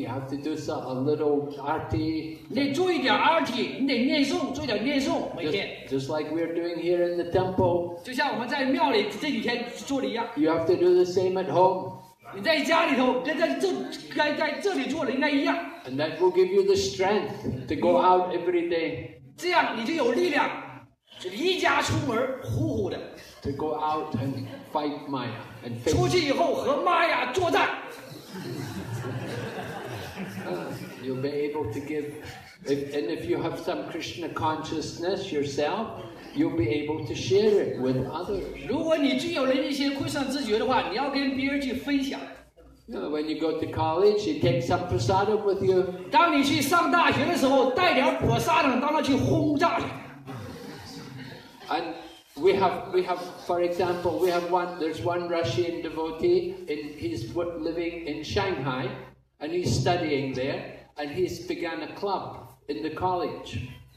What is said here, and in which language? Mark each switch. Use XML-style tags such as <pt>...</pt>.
<en>You have to do some a little RT.</en> <zh>你得注意点RT,你得念诵,注意点念诵,每天。</zh> <en>Just like we're doing here in the temple.</en> <zh>就像我们在庙里这几天做的一样。</zh> <en>You have to do the same at home.</en> <zh>你在家里头,跟在这里做的应该一样。</zh> <en>And that will give you the strength to go out every day.</en> <zh>这样你就有力量,离家出门,呼呼的。</zh> <en>To go out and fight Maya and face.</en> <zh>出去以后和玛雅作战。</zh> <en>You'll be able to give, if, and if you have some Krishna consciousness yourself, you'll be able to share it with others.</en> <zh>如果你具有了一些归顺之觉的话，你要跟别人去分享。</zh> <en>When you go to college, you take some prasada with you.</en> <zh>当你去上大学的时候，带点prasada到那去轰炸。</zh> <en>And we have, for example, we have one. There's one Russian devotee, and he's living in Shanghai, and he's studying there, and he's began a club in the college.</en>